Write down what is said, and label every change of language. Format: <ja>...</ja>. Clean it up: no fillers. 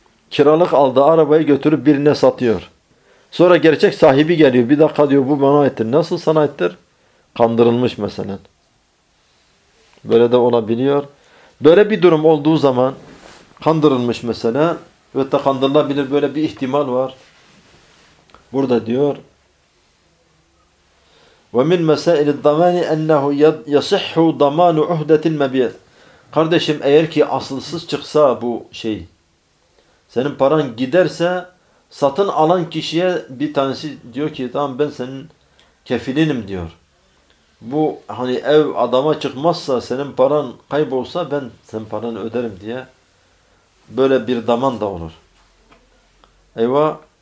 <tr>Kiralık aldığı arabayı götürüp birine satıyor. Sonra gerçek sahibi geliyor. Bir dakika diyor, bu bana aittir. Nasıl sana aittir? Kandırılmış mesela. Böyle de olabiliyor. Böyle bir durum olduğu zaman kandırılmış mesela ve de kandırılabilir, böyle bir ihtimal var. Burada diyor</tr> <ar>وَمِنْ مَسَائِلِ الضَّمَانِ اَنَّهُ يَصِحُّ ضَمَانُ عُهْدَةِ الْمَبِيَةِ.</ar> <tr>Kardeşim eğer ki asılsız çıksa bu şey, senin paran giderse satın alan kişiye bir tanesi diyor ki tamam ben senin kefilinim diyor. Bu hani ev adama çıkmazsa, senin paran kaybolsa ben senin paranı öderim diye böyle bir zaman da olur. Eyvah.</tr>